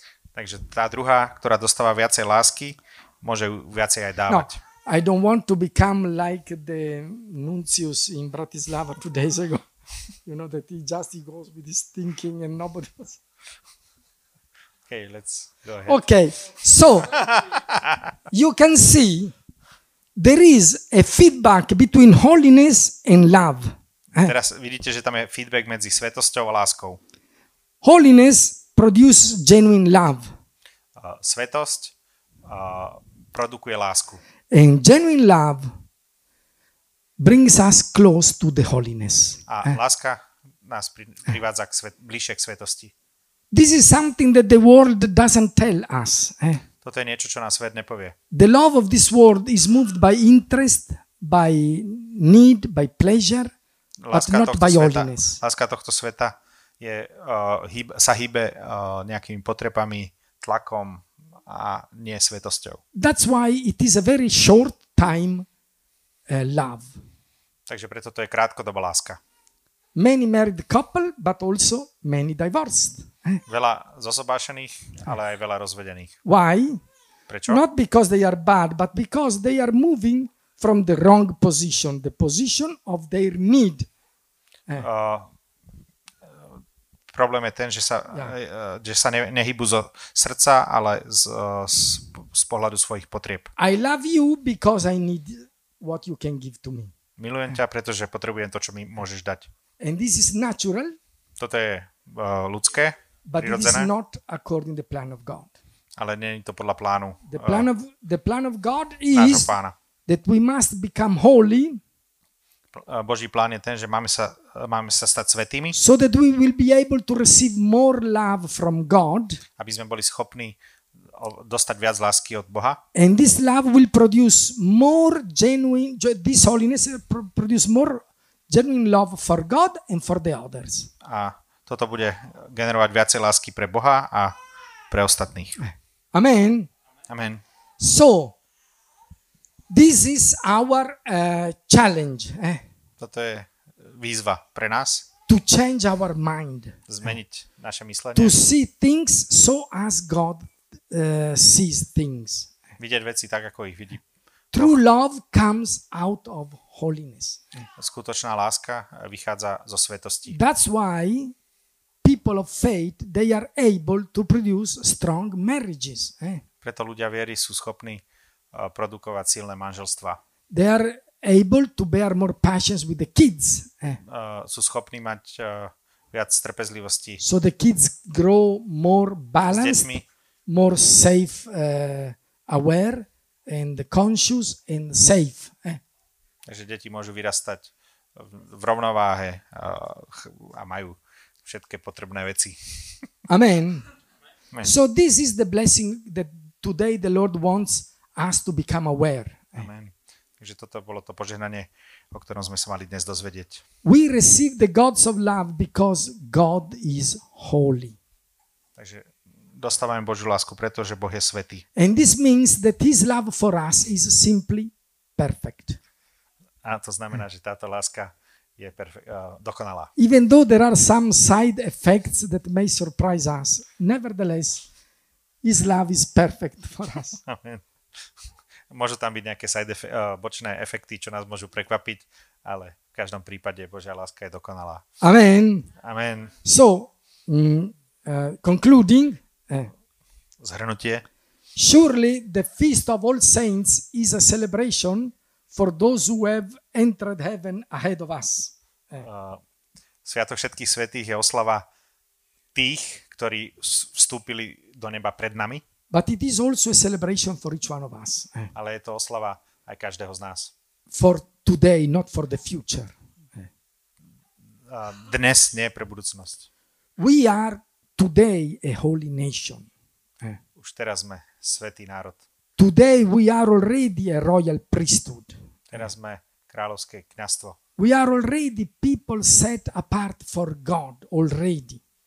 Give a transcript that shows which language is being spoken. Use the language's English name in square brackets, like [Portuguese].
[Slovak] takže tá druhá, ktorá dostáva viacej lásky, môže viacej aj dávať. [English] No, I don't want to become like the nuncius in Bratislava 2 days ago. You know, that he just goes with his thinking and nobody else. Okay, let's go ahead. Okay, so you can see there is a feedback between holiness and love. [Slovak] Teraz vidíte, že tam je feedback medzi svetosťou a láskou. [English] Holiness produces genuine love. [Slovak] Svetosť produkuje lásku. [English] And genuine love brings us close to the holiness. [Slovak] A láska nás privádza bližšie k svetosti. [English] This is something that the world doesn't tell us. [Slovak] Toto je niečo, čo nás svet nepovie. [English] The love of this world is moved by interest, by need, by pleasure, láska but not by holiness. [Slovak] Láska tohto sveta je, sa hýbe nejakými potrebami, tlakom a nie svetosťou. [English] That's why it is a very short time love. [Slovak] Takže preto to je krátkodobá láska. [English] Many married couple, but also many divorced. [Slovak] Veľa zosobášených, ale aj veľa rozvedených. [English] Why? [Slovak] Prečo? [English] Not because they are bad, but because they are moving from the wrong position, the position of their need. [Slovak] Problém je ten, že sa, že sa nehybu zo srdca, ale z pohľadu svojich potrieb. [English] I love you because I need what you can give to me. [Slovak] Milujem ťa, pretože potrebujem to, čo mi môžeš dať. [English] And this is natural. [Slovak] Toto je ľudské. [English] But it is not according to the plan of God. [Slovak] Ale nie je to podľa plánu. [English] The plan of God is that we must become holy. [Slovak] Boží plán je ten, že máme sa stať svätými. [English] So that we will be able to receive more love from God. [Slovak] Aby sme boli schopní dostať viac lásky od Boha. [English] And this love will produce more genuine, this holiness will produce more genuine love for God and for the others. [Slovak] A toto bude generovať viacej lásky pre Boha a pre ostatných. Amen. Amen. [English] So, this is our challenge. [Slovak] Toto je výzva pre nás. [English] To change our mind. [Slovak] Zmeniť naše myslenie. [English] To see things so as God sees things. [Slovak] Vidieť veci tak, ako ich vidí. [English] True love comes out of holiness. [Slovak] Skutočná láska vychádza zo svetosti. [English] That's why people of faith, they are able to produce strong marriages. [Slovak] Preto ľudia viery sú schopní produkovať silné manželstva. [English] They are able to bear more patience with the kids. [Slovak] Sú schopní mať viac trpezlivosti. [English] So the kids grow more balanced, more safe, aware, and conscious, and safe. [Slovak] Takže deti môžu vyrastať v rovnováhe a majú všetké potrebné veci. Amen. Amen. [English] So this is the blessing that today the Lord wants us to become aware. [Slovak] Amen. Takže toto bolo to požehnanie, o ktorom sme sa mali dnes dozvedieť. [English] We receive the gods of love because God is holy. [Slovak] Takže dostávame Božiu lásku, pretože Boh je svätý. [English] And this means that his love for us is simply perfect. [Slovak] A to znamená, že táto láska je dokonalá. [English] Even though there are some side effects that may surprise us, nevertheless, his love is perfect for us. Amen. [Slovak] Môžu tam byť nejaké side bočné efekty, čo nás môžu prekvapiť, ale v každom prípade Božia láska je dokonalá. Amen. Amen. [English] So, concluding, [Slovak] zhrnutie. [English] Surely the Feast of All Saints is a celebration for those who have entered heaven ahead of us. [Slovak] Sviatok všetkých svätých je oslava tých, ktorí vstúpili do neba pred nami. [English] But it is also a celebration for each one of us. [Slovak] Ale je to oslava aj každého z nás. [English] For today, not for the future. [Slovak] Dnes, nie pre budúcnosť. [English] We are today a holy nation. [Slovak] Už teraz sme svätý národ. [English] Today we are already a royal priesthood. [Slovak] Teraz sme kráľovské kňazstvo. [English] We are already people set apart for God already.